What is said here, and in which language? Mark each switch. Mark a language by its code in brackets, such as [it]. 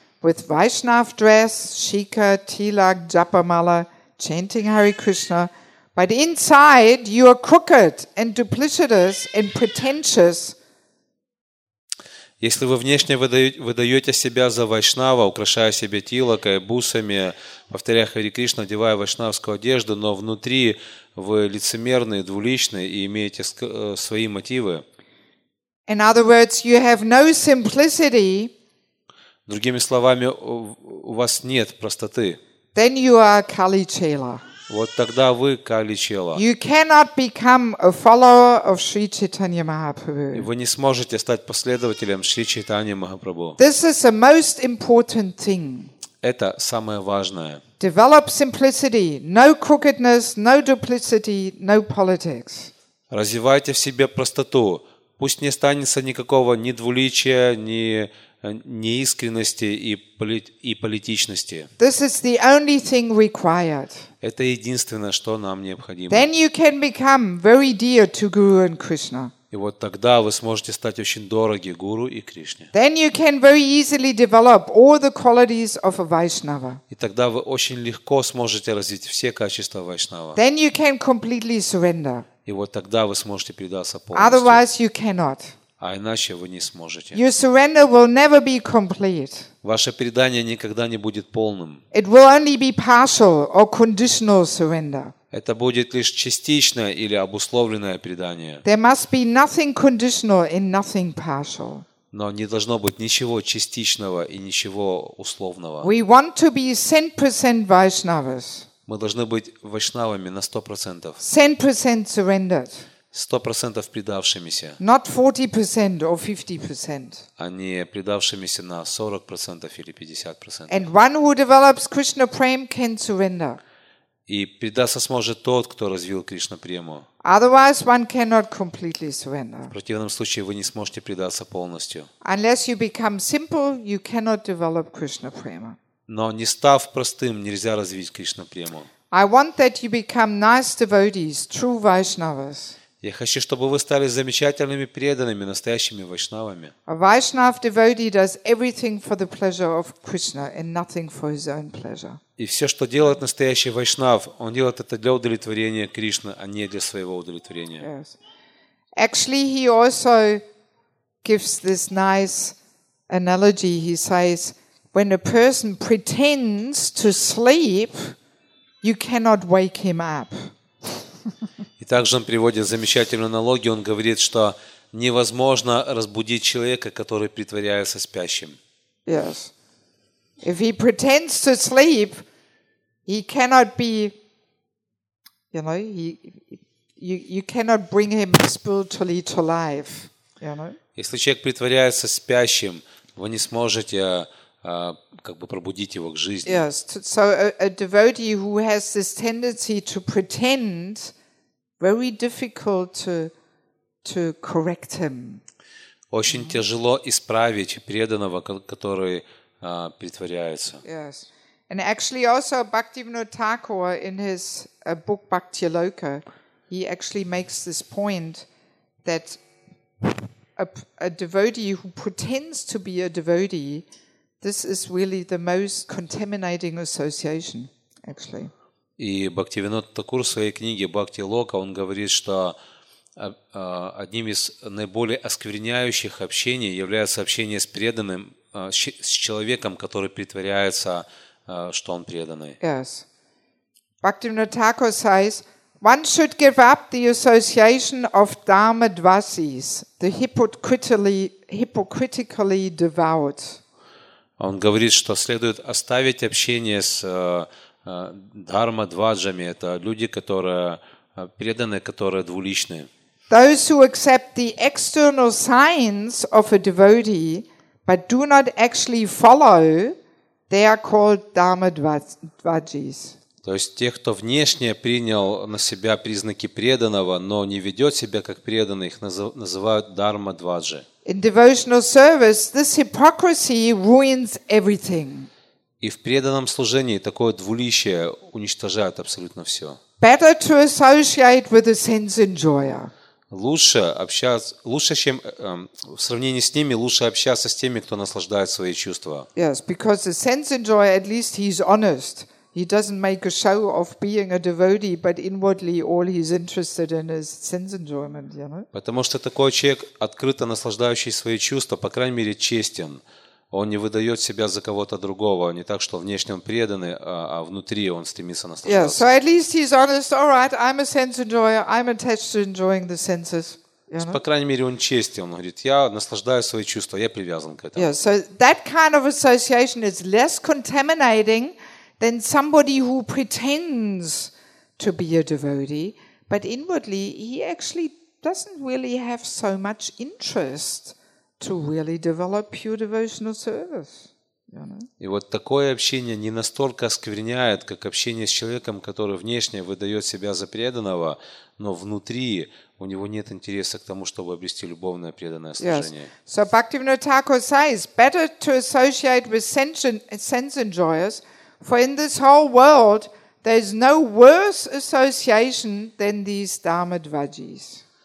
[en] with Vaishnav dress, Shikha, Tilak, Japamala, chanting Hare Krishna, but inside you are crooked and duplicitous and pretentious. [ru] Если вы внешне выдаете себя за вайшнава, украшая себя тилакой, бусами, повторяя Хари Кришна, одевая вайшнавскую одежду, но внутри вы лицемерны, двуличны и имеете свои мотивы. [en] In other words, you have no simplicity. [ru] Другими словами, у вас нет простоты. [en] Then you are Kali Chela. [ru] Вот тогда вы Кали Чела. [en] You cannot become a follower of Sri Chaitanya Mahaprabhu. [ru] Вы не сможете стать последователем Шри Чайтаньи Махапрабху. [en] This is the most important thing. [ru] Это самое важное. [en] Develop simplicity, no crookedness, no duplicity, no politics. [ru] Развивайте в себе простоту. Пусть не останется никакого ни двуличия, ни неискренности и политичности. [en] This is the only thing required. [ru] Это единственное, что нам необходимо. [en] Then you can become very dear to Guru and Krishna. [ru] И вот тогда вы сможете стать очень дороги Гуру и Кришне. [en] Then you can very easily develop all the qualities of a Vaishnava. [ru] И тогда вы очень легко сможете развить все качества Вайшнава. [en] Then you can completely surrender. [ru] И вот тогда вы сможете предаться полностью. [en] Otherwise you cannot. [ru] А иначе вы не сможете. [en] Your surrender will never be complete. [ru] Ваше предание никогда не будет полным. [en] It will only be partial or conditional surrender. [ru] Это будет лишь частичное или обусловленное предание. [en] There must be nothing conditional and nothing partial. [ru] Но не должно быть ничего частичного и ничего условного. [en] We want to be 100% Vaishnavas. [ru] Мы должны быть вайшнавами на 100%. [en] 100% surrendered. [ru] 100% предавшимися. [en] Not 40% or 50%. [ru] А не предавшимися на 40% или 50%. [en] And one who develops Krishna prema can surrender. [ru] И предаться сможет тот, кто развил Кришна прему. [en] Otherwise one cannot completely surrender. [ru] В противном случае вы не сможете предаться полностью. [en] Unless you become simple, you cannot develop Krishna prema. [ru] Но не став простым, нельзя развить Кришна прему. [en] I want that you become nice devotees, true Vaishnavas. [ru] Я хочу, чтобы вы стали замечательными преданными, настоящими вайшнавами. [en] A Vaishnav devotee does everything for the pleasure of Krishna and nothing for his own pleasure. [ru] И все, что делает настоящий вайшнав, он делает это для удовлетворения Кришны, а не для своего удовлетворения. [en] Yes. Actually, he also gives this nice analogy. He says, when a person pretends to sleep, you cannot wake him up. [ru] И также он приводит замечательную аналогию. Он говорит, что невозможно разбудить человека, который притворяется спящим. [en] Yes. If he pretends to sleep, he cannot be, you know, you cannot bring him spiritually to life. You know? [ru] Если человек притворяется спящим, вы не сможете как бы пробудить его к жизни. [en] Yes. So a devotee who has this tendency to pretend, very difficult to correct him. [ru] Очень mm-hmm. тяжело исправить преданного, который притворяется. [en] Yes. And actually also Bhaktivinoda Thakur in his book Bhakti Loka, he actually makes this point that a devotee who pretends to be a devotee, this is really the most contaminating association, actually. [ru] И Бхактивинода Такур в своей книге «Бхакти Лока», он говорит, что одним из наиболее оскверняющих общений является общение с преданным, с человеком, который притворяется, что он преданный. [en] Yes. Бхактивинода Такур says, one should give up the association of dharmadvasis, the hypocritically devout. [ru] Он говорит, что следует оставить общение с дхарма дваджами – это люди, которые преданы, которые двуличны. [en] Those who accept the external signs of a devotee, but do not actually follow, they are called dharma dvajis. [ru] То есть те, кто внешне принял на себя признаки преданного, но не ведет себя как преданный, их называют дхарма дваджи. [en] In devotional service, this hypocrisy ruins everything. [ru] И в преданном служении такое двуличие уничтожает абсолютно все. [en] Better to associate with a sense enjoyer. [ru] Лучше общаться, лучше, чем в сравнении с ними, лучше общаться с теми, кто наслаждает свои чувства. [en] Yes, because the sense enjoyer, at least he's honest. He doesn't make a show of being a devotee, but inwardly all he's interested in is sense enjoyment, you know? [ru] Потому что такой человек, открыто наслаждающий свои чувства, по крайней мере, честен. Он не выдает себя за кого-то другого, не так, что внешне он преданный, а внутри он стремится наслаждаться. [en] Yeah, so at least he's honest. All right, I'm a sense enjoyer. I'm attached to enjoying the senses. Yeah. [ru] По крайней мере, он честен. Он говорит, я наслаждаюсь свои чувства, я привязан к этому. [en] Yeah, so that kind of association is less contaminating than somebody who pretends to be a devotee, but inwardly he actually doesn't really have so much interest to really develop pure devotional service. You know? [ru] И вот такое общение не настолько оскверняет, как общение с человеком, который внешне выдает себя за преданного, но внутри у него нет интереса к тому, чтобы обрести любовное преданное служение. [en] Yes. So Bhaktivinoda Thakur says, better to associate with sense enjoyers, for in this whole world there is no worse association than these dharmadvajis.